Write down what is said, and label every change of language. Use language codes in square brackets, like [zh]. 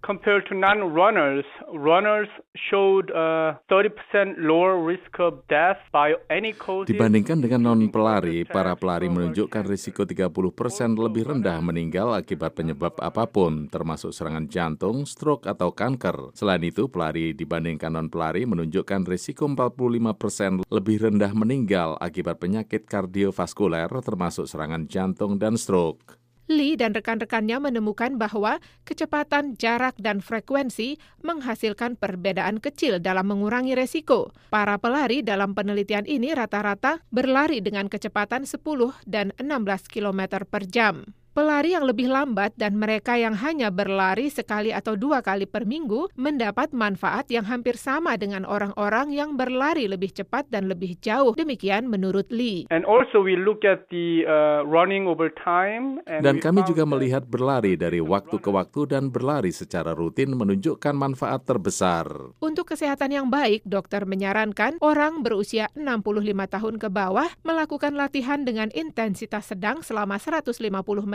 [en] Compared to non-runners, runners showed a 30% lower risk of death by any cause. [id] Dibandingkan dengan non-pelari, para pelari menunjukkan risiko 30% lebih rendah meninggal akibat penyebab apapun, termasuk serangan jantung, stroke, atau kanker. Selain itu, pelari dibandingkan non-pelari menunjukkan risiko 45% lebih rendah meninggal akibat penyakit kardiovaskuler, termasuk serangan jantung dan stroke. Lee dan rekan-rekannya menemukan bahwa kecepatan, jarak, dan frekuensi menghasilkan perbedaan kecil dalam mengurangi resiko. Para pelari dalam penelitian ini rata-rata berlari dengan kecepatan 10 dan 16 km per jam. Pelari yang lebih lambat dan mereka yang hanya berlari sekali atau dua kali per minggu mendapat manfaat yang hampir sama dengan orang-orang yang berlari lebih cepat dan lebih jauh. Demikian menurut Lee. [en] And also we look at the running over time. [id] Dan kami juga melihat berlari dari waktu ke waktu dan berlari secara rutin menunjukkan manfaat terbesar. Untuk kesehatan yang baik, dokter menyarankan orang berusia 65 tahun ke bawah melakukan latihan dengan intensitas sedang selama 150 menit.